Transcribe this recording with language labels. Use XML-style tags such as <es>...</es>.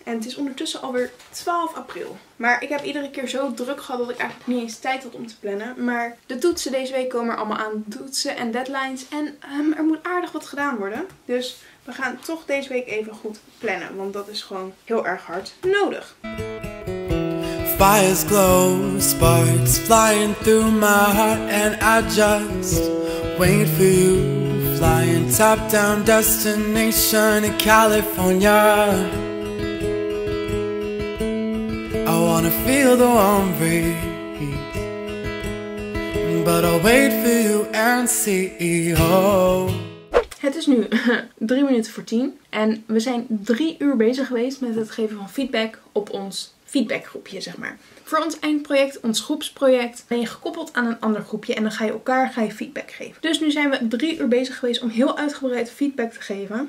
<nl>En het is ondertussen alweer 12 april. Maar ik heb iedere keer zo druk gehad dat ik eigenlijk niet eens tijd had om te plannen. Maar de toetsen deze week komen er allemaal aan. Toetsen en deadlines. En er moet aardig wat gedaan worden. Dus we gaan toch deze week even goed plannen. Want dat is gewoon heel erg hard nodig.</nl> <en>Fires glow, sparks flying through my heart and I just... Waiting for you, flying top down destination in California. I wanna feel the warm breeze, but I'll wait for you and see. Oh.</en> <nl>Het is nu 3:10 en we zijn 3 uur bezig geweest met het geven van feedback op ons feedbackgroepje, zeg maar. Voor ons eindproject, ons groepsproject, ben je gekoppeld aan een ander groepje en dan ga je elkaar feedback geven. Dus nu zijn we 3 uur bezig geweest om heel uitgebreid feedback te geven.</nl>